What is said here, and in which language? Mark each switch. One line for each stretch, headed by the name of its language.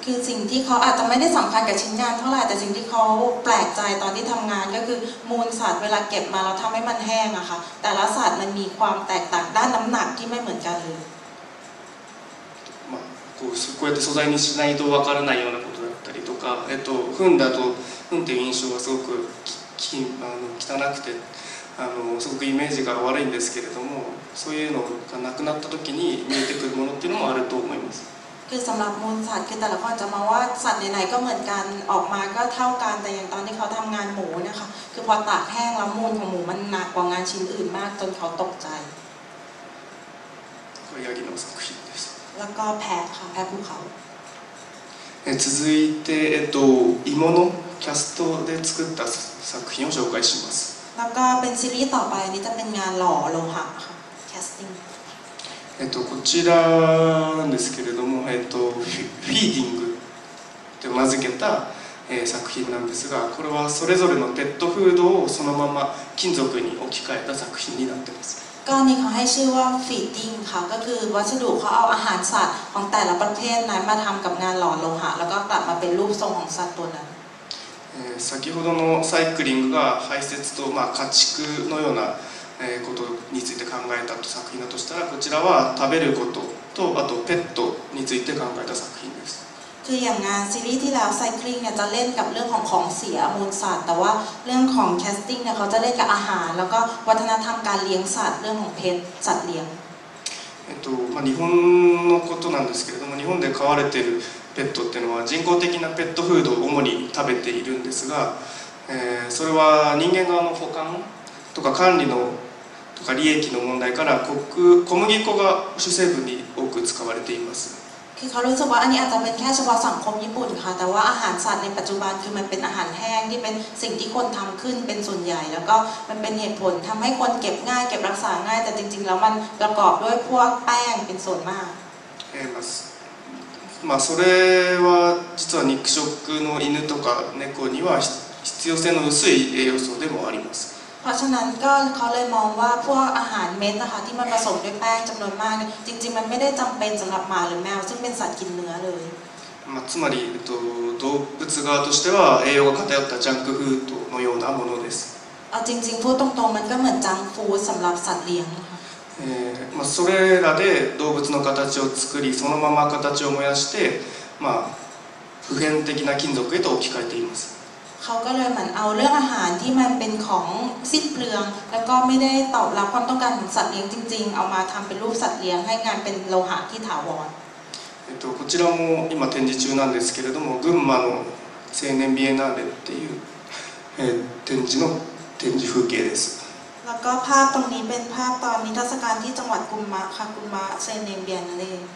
Thai: คือสิ่งที่เขาอาจจะไม่ได้สำคัญกับชิ้นงานเท่าไหร่แต่สิ่งที่เขาแปลกใจตอนที่ทำงานก็คือมูลสัตว์เวลาเก็บมาเราทำให้มันแห้งอะค่ะแต่ละสัตว์มันมีความแตกต่างด้านน้ำหนักที่ไม่เหมือนกันเลย
Japanese: まあこうこうやって素材にしないとわからないようなことだったりとか糞だと糞という印象がすごく汚くてすごくイメージが悪いんですけれどもそういうのがなくなった時に見えてくるものっていうのもあると思います
Thai: คือสำหรับมูลสัตว์คือแต่ละคนจะมองว่าสัตว์ไหนๆก็เหมือนกันออกมาก็เท่ากันแต่อย่างตอนที่เขาทำงานหมูนะคะคือพอตากแห้งแล้วมูลของหมูมันหนักกว่างานชิ้นอื่นมากจนเขาตกใจ
Japanese: これヤギの作品です
Thai: แล้วก็แพะค่ะแพะภูเขา
Japanese: 続いて芋のキャストで作った作品を紹介します。だか、ベンシリーと場合にたぶんがロー、ロハ、キャスティング。こちらなんですけれども、フィーディングと名付けた、作品なんですが、これはそれぞれのペットフードをそのまま金属に置き換えた作品になってます。
Thai: ก็นี่เขาให้ชื่อว่าฟีดดิ้งค่ะก็คือวัสดุเขาเอาอาหารสัตว์ของแต่ละประเภทนั้นมาทำกับงานหล่อโลหะแล้วก็กลับมาเป็นรูปทรงของสัตว์ตัวนั้น
Japanese: 先ほどのサイクリングが排泄とまあ家畜のようなことについて考えた作品だとしたらこちらは食べることとあとペットについて考えた作品です
Thai: คืออย่างงานซีรีส์ที่แล้วไซคลิงเนี่ยจะเล่นกับเรื่องของของเสียมูลสัตว์แต่ว่าเรื่องของแคสติ้งเนี่ยเขาจะเล่นกับอาหารแล้วก็วัฒนธรรมการเลี้ยงสัตว์เรื่องของเพศสัตว์เลี้ยง
Japanese: まあ日本のことなんですけれども日本で飼われているペットっていうのは人工的なペットフードを主に食べているんですがそれは人間側の保管とか管理のとか利益の問題から小麦粉が主成分に多く使われています
Thai: คือเขารู้สึกว่าอันนี้อาจจะเป็นแค่เฉพาะสังคมญี่ปุ่นค่ะแต่ว่าอาหารสัตว์ในปัจจุบันคือมันเป็นอาหารแห้งที่เป็นสิ่งที่คนทำขึ้นเป็นส่วนใหญ่แล้วก็มันเป็นเหตุผลทำให้คนเก็บง่ายเก็บรักษาง่ายแต่จริงๆแล้วมันประกอบด้วยพวกแป้งเป็นส่วนมาก
Japanese: まあそれは実は肉食の犬とか猫には必要性の薄い栄養素でもあります
Thai: เพราะฉะนั้นก็เขาเลยมองว่าพวกอาหารเม็ดนะคะที่มันผสมด้วยแป้งจำนวนมากจริงๆมันไม่ได้จำเป็นสำหรับหมาหรือแมวซึ่งเป็นสัตว์กินเนื้อเลย
Japanese: まあつまり動物側としては栄養が偏ったジャンクフードのようなものです
Thai: จริงๆพูดตรงๆมันก็เหมือนจังฟูสำหรับสัตว์เลี้ยง
Japanese: まあそれらで動物の形を作りそのまま形を燃やしてまあ普遍的な金属へと置き換えています
Thai: ขาก็เลยเหมือนเอาเรื่องอาหารที่มันเป็นของสิ้นเปลืองแล้วก็ไม่ได้ตอบรับความต้องการของสัตว์เลี้ยงจริงๆเอามาทำเป็นรูปสัตว์เลี้ยงให้งานเป็นโลหะที่ถาวร
Japanese: こちらも今展示中なんですけれども群馬の青年ビエナーレっていう展示の展示風景です。
Thai: แล้วก็ภาพตรงนี้เป็นภาพตอนนิทรรศการที่จังหวัดกุมมะค่ะกุมมะเซเนเบียนเล่